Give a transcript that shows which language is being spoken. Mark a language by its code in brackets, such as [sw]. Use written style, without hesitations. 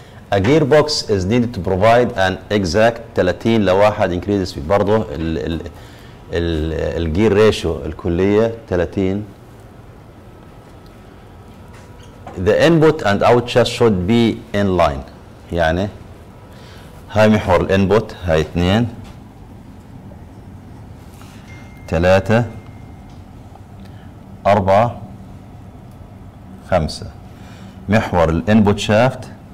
[en] A gearbox is needed to provide an exact 30 [ar] لواحد [en] increases speed. [ar] برضه ال gear ratio الكلية 30. [en] The input and out shaft should be in line. [ar] يعني هاي محور ال input، هاي 2 3 4 5 محور ال input shaft.